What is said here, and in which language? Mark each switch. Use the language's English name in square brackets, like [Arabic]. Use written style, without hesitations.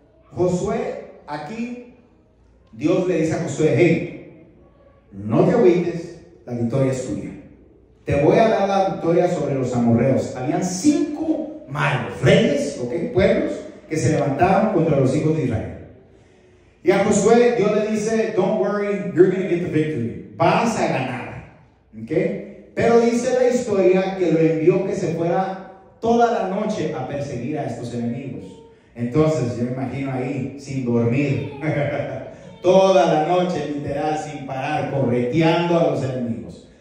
[Spanish] Josué, aquí Dios le dice a Josué: hey, no te agüites, la victoria es tuya. Te voy a dar la victoria sobre los amorreos. Habían 5 malos reyes, ok, pueblos, que se levantaron contra los hijos de Israel. Y a Josué Dios le dice: [English] don't worry, you're going to get the victory. [Spanish] Vas a ganar. Ok. Pero dice la historia que lo envió que se fuera toda la noche a perseguir a estos enemigos. Entonces, yo me imagino ahí, sin dormir, toda la noche, literal, sin parar, correteando a los enemigos.